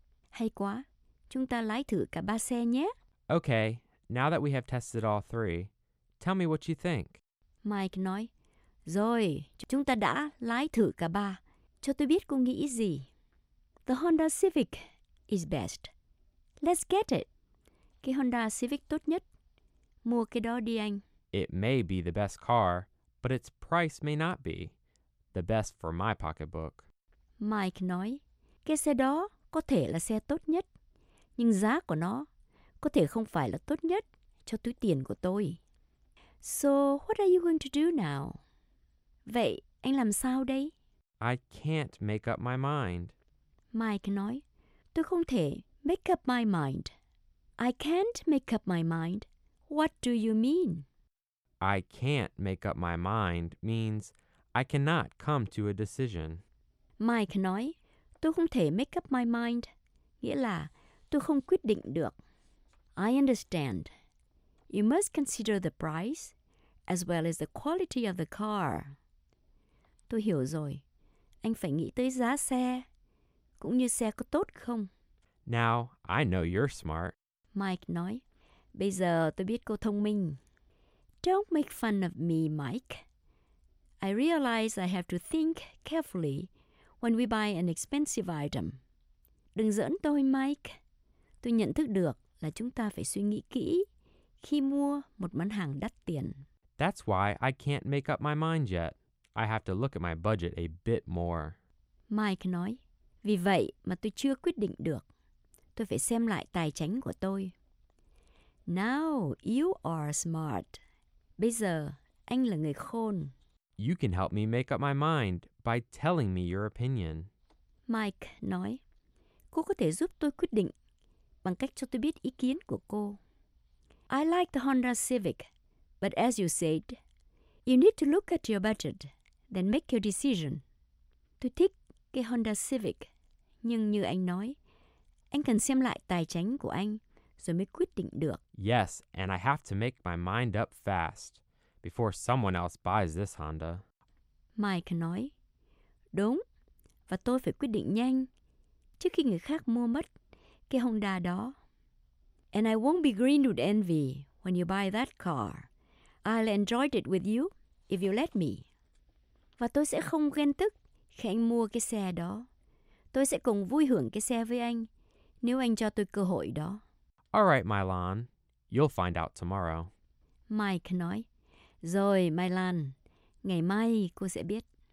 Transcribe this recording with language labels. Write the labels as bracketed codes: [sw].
[vi] Hay quá. Chúng ta lái thử cả ba xe nhé. [en] Okay, now that we have tested all three, tell me what you think. [vi] Mike nói, rồi, chúng ta đã lái thử cả ba. Cho tôi biết cô nghĩ gì. [en] The Honda Civic is best. Let's get it. [vi] Cái Honda Civic tốt nhất. Mua cái đó đi anh. [en] It may be the best car, but its price may not be the best for my pocketbook. [vi] Mike nói, cái xe đó có thể là xe tốt nhất. Nhưng giá của nó có thể không phải là tốt nhất cho túi tiền của tôi. [en] So, what are you going to do now? [vi] Vậy, anh làm sao đây? [en] I can't make up my mind. [vi] Mike nói, tôi không thể [en] make up my mind. I can't make up my mind. What do you mean? I can't make up my mind means I cannot come to a decision. [vi] Mike nói, tôi không thể [en] make up my mind. [vi] Nghĩa là, tôi không quyết định được. [en] I understand. You must consider the price as well as the quality of the car. [vi] Tôi hiểu rồi. Anh phải nghĩ tới giá xe, cũng như xe có tốt không. [en] Now, I know you're smart. [vi] Mike nói, bây giờ tôi biết cô thông minh. [en] Don't make fun of me, Mike. I realize I have to think carefully when we buy an expensive item. [vi] Đừng giỡn tôi, Mike. Tôi nhận thức được là chúng ta phải suy nghĩ kỹ khi mua một món hàng đắt tiền. [en] That's why I can't make up my mind yet. I have to look at my budget a bit more. [vi] Mike nói, vì vậy mà tôi chưa quyết định được. Tôi phải xem lại tài chính của tôi. [en] Now you are smart. [vi] Bây giờ, anh là người khôn. [en] You can help me make up my mind by telling me your opinion. [vi] Mike nói, cô có thể giúp tôi quyết định bằng cách cho tôi biết ý kiến của cô. [en] I like the Honda Civic, but as you said, you need to look at your budget, then make your decision. [vi] Tôi thích cái Honda Civic, nhưng như anh nói, anh cần xem lại tài chính của anh rồi mới quyết định được. [en] Yes, and I have to make my mind up fast before someone else buys this Honda. [vi] Mike nói, đúng, và tôi phải quyết định nhanh trước khi người khác mua mất cái Honda đó. [en] And I won't be green with envy when you buy that car. I'll enjoy it with you if you let me. [vi] Và tôi sẽ không ghen tức khi anh mua cái xe đó. Tôi sẽ cùng vui hưởng cái xe với anh nếu anh cho tôi cơ hội đó. [en] All right, Mylan. You'll find out tomorrow. [vi] Mike nói, rồi, Mylan, ngày mai cô sẽ biết.